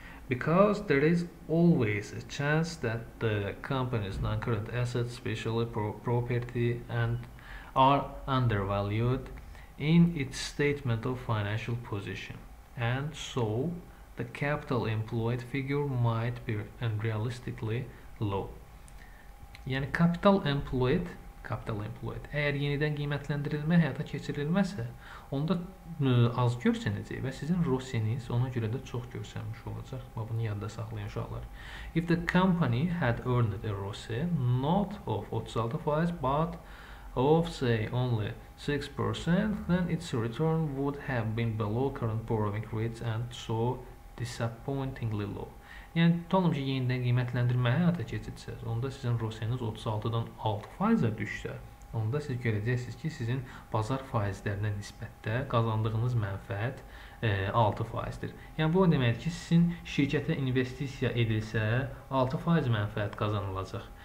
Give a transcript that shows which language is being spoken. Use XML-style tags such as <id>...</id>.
<en>Because there is always a chance that the company's non-current assets, especially property and are undervalued in its statement of financial position. And so the capital employed figure might be unrealistically low.</en> <az>Yani capital employed eğer yeniden qiymətləndirilmə həyata keçirilməsə, onda az görsənəcək və sizin ROCE-niz ona görə də çox görsənmiş olacaq. Və bunu yadda saxlayın uşaqlar.</az> <en>If the company had earned a ROCE not of 36% but of say only 6%, then its return would have been below current borrowing rates and so disappointingly low.</en> <az>Yəni tutalım ki yenidən qiymətləndirmə həyata keçirsəz, onda sizin ROCE-niz 36-dan 6%-ə düşsə, onda siz görəcəksiniz ki sizin bazar faizlərinə nisbətdə qazandığınız mənfəət 6%-dir. Yəni bu o deməkdir ki sizin şirkətə investisiya edilsə 6% mənfəət qazanılacaq.</az>